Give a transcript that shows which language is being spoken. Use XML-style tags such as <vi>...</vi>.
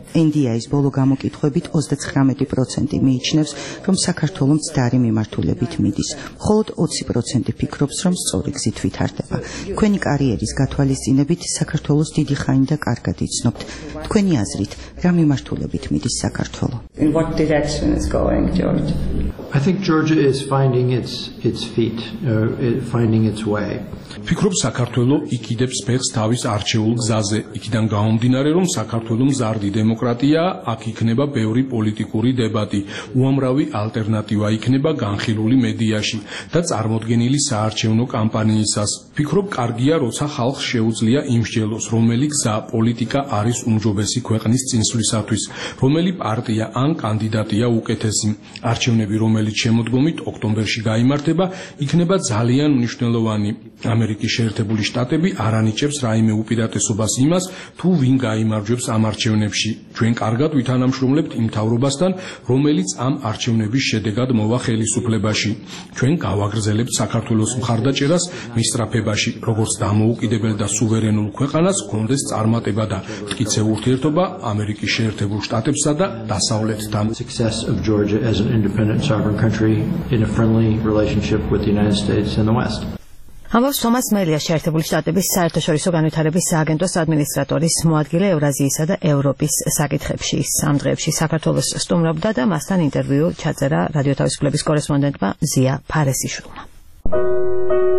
<ka>NDA-ის ბოლო გამოკითხვებით 29% მიიჩნევს, რომ საქართველო მცდარი მიმართულებით მიდის. მხოლოდ 20% ფიქრობს, რომ სწორი გზით ვითარდება. თქვენი კარიერის გათვალისწინებით საქართველოს დიდი ხანი და კარგად იცნობთ. თქვენი აზრით, რა მიმართულებით მიდის საქართველო?</ka> <en>In what direction is going, George? I think Georgia is finding its feet, finding its way.</en> <ka>ფიქრობ, საქართველო იკიდებს ფეხს თავის არჩეულ გზაზე. იქიდან გამომდინარე, რომ საქართველო მზარდი დემოკრატია, აქ იქნება ბევრი პოლიტიკური დებატი, უამრავი ალტერნატივა იქნება განხილული მედიაში და წარმოდგენილი საარჩევნო კამპანიისას. ფიქრობ, კარგია, როცა ხალხს შეუძლია იმსჯელოს, რომელი გზა პოლიტიკა არის უმჯობესი ქვეყნის წინსვლისათვის, რომელი პარტია ან კანდიდატია უკეთესი. არჩევნები, რომელიც შემოდგომით ოქტომბერში გაიმართება, იქნება ძალიან მნიშვნელოვანი. ამერიკის შეერთებული შტატები არ ანიჭებს რაიმე უპირატესობას იმას, თუ ვინ გაიმარჯვებს ამ არჩევნებში. ჩვენ კარგად ვითანამშრომლებთ იმ მთავრობასთან, რომელიც ამ არჩევნების შედეგად მოვა ხელისუფლებაში. ჩვენ გავაგრძელებთ საქართველოს მხარდაჭერას მისწრაფებაში, როგორც დამოუკიდებელ და სუვერენულ ქვეყანას ჰქონდეს წარმატება და მტკიცე ურთიერთობა ამერიკის შეერთებულ შტატებსა და დასავლეთთან.</ka> <en>Success of Georgia as an independent sovereign country in a friendly relationship with the United States and the West.</en> <ka>ამას თომას მელია შეერთებული შტატების საერთაშორისო განვითარების სააგენტოს ადმინისტრატორის მოადგილე ევრაზიისა და ევროპის საკითხებში. სამ დღეებში საქართველოს სტუმრობდა და მასთან ინტერვიუ ჩაწერა რადიო თავისუფლების კორესპონდენტმა ზია ფარესიშვილმა.</ka>